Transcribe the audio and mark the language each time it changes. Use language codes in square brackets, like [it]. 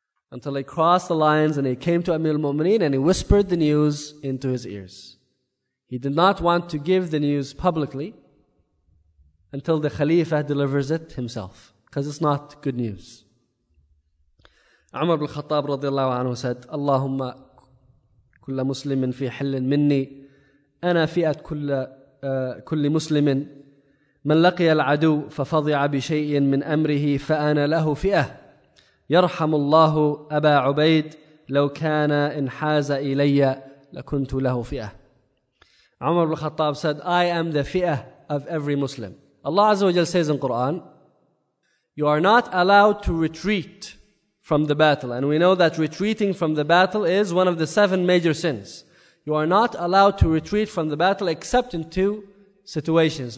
[en] Until he crossed the lines and he came to Amir al-Mu'mineen and he whispered the news into his ears. He did not want to give the news publicly until the Khalifa delivers it himself. Because it's not good news. Umar bin Khattab radiallahu anhu said, [ar] Allahumma kulla muslimin fi hillin minni ana fi'at kulli muslimin من لقي العدو ففضع بشيء من أمره فأنا له فئة يرحم الله أبا عبيد لو كان انحاز إلي لكنت له فئة. [en] عمر بن الخطاب said, I am the fi'ah of every Muslim. Allah Azza wa Jal says in Quran, you are not allowed to retreat from the battle. And we know that retreating from the battle is one of the seven major sins. You are not allowed to retreat from the battle except in two situations.